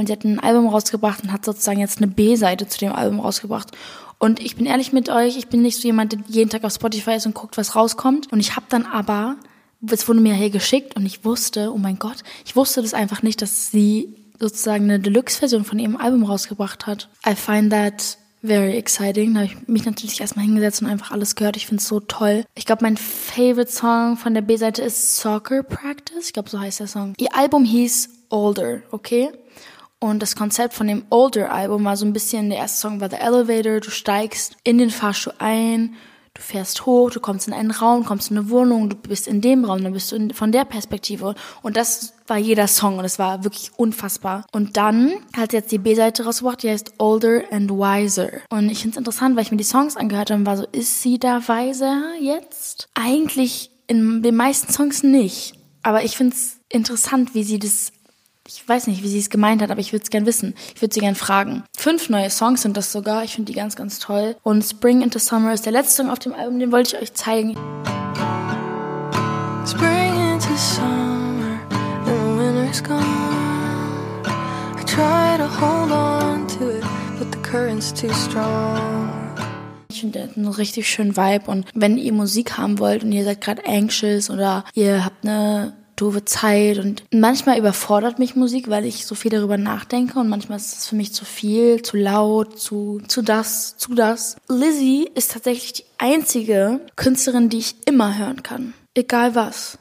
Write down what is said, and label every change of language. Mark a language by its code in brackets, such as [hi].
[de] Und sie hat ein Album rausgebracht und hat sozusagen jetzt eine B-Seite zu dem Album rausgebracht. Und ich bin ehrlich mit euch, ich bin nicht so jemand, der jeden Tag auf Spotify ist und guckt, was rauskommt. Und ich habe dann aber, es wurde mir hier geschickt und ich wusste, oh mein Gott, ich wusste das einfach nicht, dass sie sozusagen eine Deluxe-Version von ihrem Album rausgebracht hat. [en] I find that very exciting. [de] Da habe ich mich natürlich erstmal hingesetzt und einfach alles gehört. Ich finde es so toll. Ich glaube, mein favorite Song von der B-Seite ist Soccer Practice. Ich glaube, so heißt der Song. Ihr Album hieß Older, okay? Und das Konzept von dem Older-Album war so ein bisschen, der erste Song war The Elevator. Du steigst in den Fahrstuhl ein, du fährst hoch, du kommst in einen Raum, kommst in eine Wohnung, du bist in dem Raum, dann bist du von der Perspektive. Und das war jeder Song und es war wirklich unfassbar. Und dann hat sie jetzt die B-Seite rausgebracht, die heißt Older and Wiser. Und ich finde es interessant, weil ich mir die Songs angehört habe und war so, ist sie da weiser jetzt? Eigentlich in den meisten Songs nicht. Aber ich finde es interessant, wie sie das, ich weiß nicht, wie sie es gemeint hat, aber ich würde es gerne wissen. Ich würde sie gerne fragen. 5 neue Songs sind das sogar. Ich finde die ganz, ganz toll. Und Spring into Summer ist der letzte Song auf dem Album. Den wollte ich euch zeigen. [en] Spring into summer, the winter's gone. I try to hold on to it, but the current's too strong. [de] Ich finde, der hat einen richtig schönen Vibe. Und wenn ihr Musik haben wollt und ihr seid gerade anxious oder ihr habt eine doofe Zeit und manchmal überfordert mich Musik, weil ich so viel darüber nachdenke und manchmal ist es für mich zu viel, zu laut, zu das. Lizzie ist tatsächlich die einzige Künstlerin, die ich immer hören kann. Egal was.